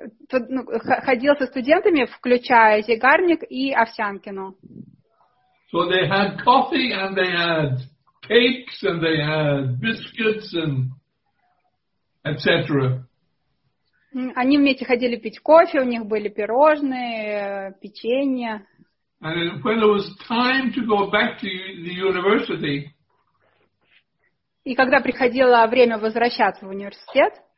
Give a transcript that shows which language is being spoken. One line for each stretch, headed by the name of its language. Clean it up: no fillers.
Russian: Ходил со студентами, включая Зигарник и Овсянкину.
English: So they had coffee and they had cakes and they had biscuits and etc.
Russian: Они вместе ходили пить кофе, у них были пирожные, печенье.
English: And when it was time to go back to the university.
Russian: И когда приходило время возвращаться в университет,